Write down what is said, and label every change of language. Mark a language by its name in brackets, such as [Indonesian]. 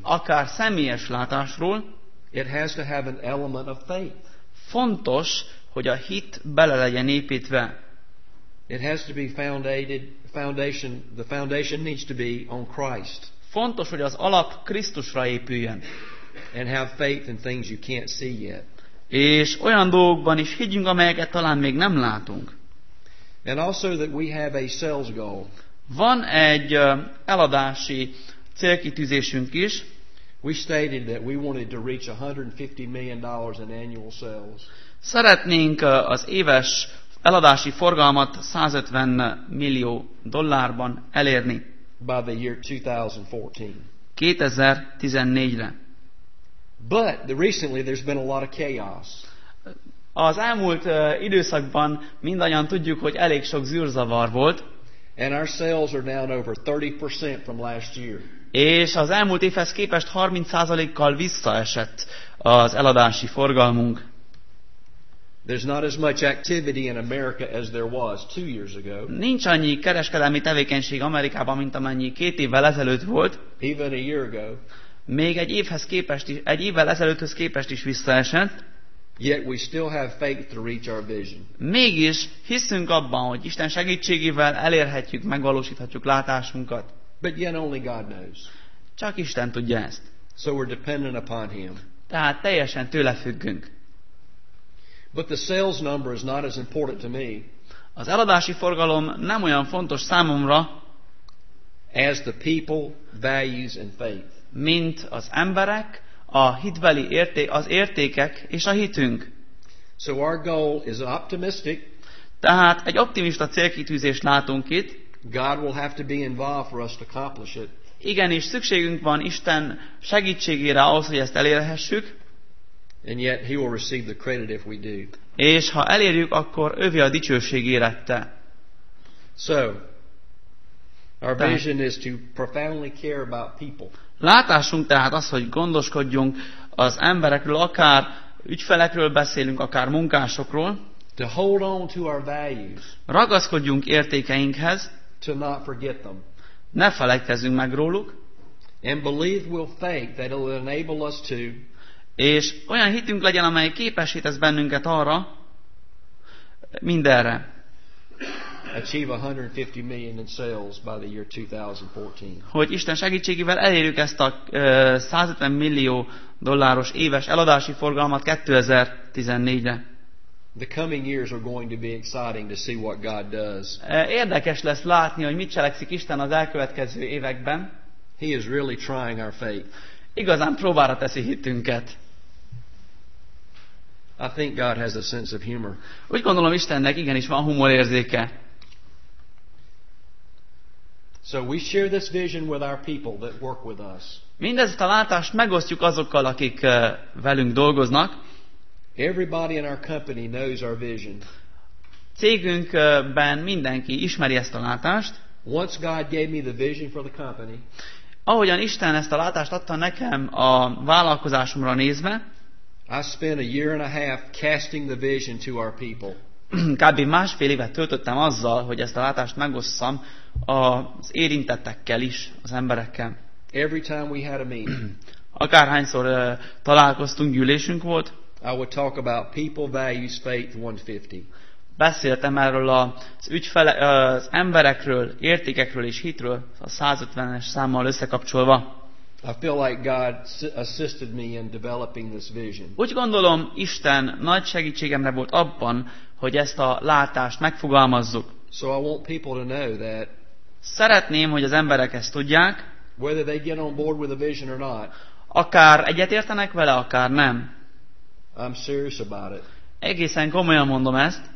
[Hungarian] akár személyes látásról, [English] it has to have an element of faith. [Hungarian] Fontos, hogy a hit bele legyen építve. [English] It has to be foundation, the foundation needs to be on Christ. [Hungarian] Fontos, hogy az alap Krisztusra épüljen. [English] and have faith in things you can't see yet. [Hungarian] És olyan dolgokban is higgyünk, amelyeket talán még nem látunk. [English] And also that we have a sales goal. [Hungarian] Van egy eladási célkitűzésünk is. [English] We stated that we wanted to reach $150 million in annual sales. [Hungarian] Szeretnénk az éves eladási forgalmat 150 millió dollárban elérni. [English] By the year 2014. [Hungarian] 2014-re. [English] But recently there's been a lot of chaos. [Hungarian] Az elmúlt időszakban mindannyian tudjuk, hogy elég sok zűrzavar volt. [English] And our sales are down over 30% from last year. [Hungarian] És az elmúlt évhez képest 30%-kal visszaesett az eladási forgalmunk. [English] There's not as much activity in America as there was 2 years ago. [Hungarian] Nincs annyi kereskedelmi tevékenység Amerikában, mint amennyi 2 évvel ezelőtt volt. [English] Even a year ago. [Hungarian] Még egy évvel ezelőtthöz képest is visszaesett. [English] Yet we still have faith to reach our vision. [Hungarian] Mégis hiszünk abban, hogy Isten segítségével elérhetjük, megvalósíthatjuk látásunkat. [English] But yet only God knows. [Hungarian] Csak Isten tudja ezt. [English] So we're dependent upon Him. [Hungarian] Tehát teljesen tőle függünk. [English] But the sales number is not as important to me. [Hungarian] Az eladási forgalom nem olyan fontos számomra, [English] as the people, values and faith. [Hungarian] Mint az emberek, a hitbeli az értékek és a hitünk. [English] So our goal is optimistic. [Hungarian] Tehát egy optimista célkitűzést látunk itt. [English] God will have to be involved for us to accomplish it. [Hungarian] Igenis szükségünk van Isten segítségére ahhoz, hogy ezt elérhessük. [English] And yet he will receive the credit if we do. [Hungarian] És ha elérjük, akkor övé a dicsőség érette. [English] So, our vision is to profoundly care about people. [Hungarian] Látásunk tehát az, hogy gondoskodjunk az emberekről, akár ügyfelekről beszélünk, akár munkásokról. [English] To hold on to our values. [Hungarian] Ragaszkodjunk értékeinkhez. [English] To not forget them. [Hungarian] Ne felejtkezzünk meg róluk. [English] And believe with faith that it will enable us to. [Hungarian] És olyan hitünk legyen, amely képesít ez bennünket arra, mindenre. [English] Achieve 150 million in sales by the year 2014. [Hungarian] Hogy Isten segítségével elérjük ezt a 150 millió dolláros éves eladási forgalmat 2014-re. [English] The coming years are going to be exciting to see what God does. [Hungarian] Érdekes lesz látni, hogy mit cselekszik Isten az elkövetkező években. [English] He is really trying our faith. [Hungarian] Igazán próbára teszi hitünket. [English] I think God has a sense of humor. [Hungarian] Úgy gondolom, Istennek igenis van humorérzéke. [English] So we share this vision with our people that work with us. [Hungarian] Mindezt a látást megosztjuk azokkal, akik velünk dolgoznak. [English] Everybody in our company knows our vision. [Hungarian] Cégünkben mindenki ismeri ezt a látást. [English] Once God gave me the vision for the company. [Hungarian] Ahogyan Isten ezt a látást adta nekem a vállalkozásomra nézve, [English] I spent a year and a half casting the vision to our people. [Hungarian] Kb. Másfél évet töltöttem azzal, hogy ezt a látást megosszam az érintettekkel is, az emberekkel. [English] Every time we had a meeting. [Hungarian] Akárhányszor találkoztunk, gyűlésünk volt. [English] I would talk about people, values, faith 150. [Hungarian] Beszéltem erről az emberekről, értékekről és hitről a 150-es számmal összekapcsolva. [English] I feel like God assisted me in developing this vision. [Hungarian] Úgy gondolom, Isten nagy segítségemre volt abban, hogy ezt a látást megfogalmazzuk. [English] So I want people to know that. [Hungarian] Szeretném, hogy az emberek ezt tudják. [English] Whether they get on board with the vision or not. [Hungarian] Akár egyetértenek vele, akár nem. [English] I'm serious about it. [Hungarian] Egészen komolyan mondom ezt.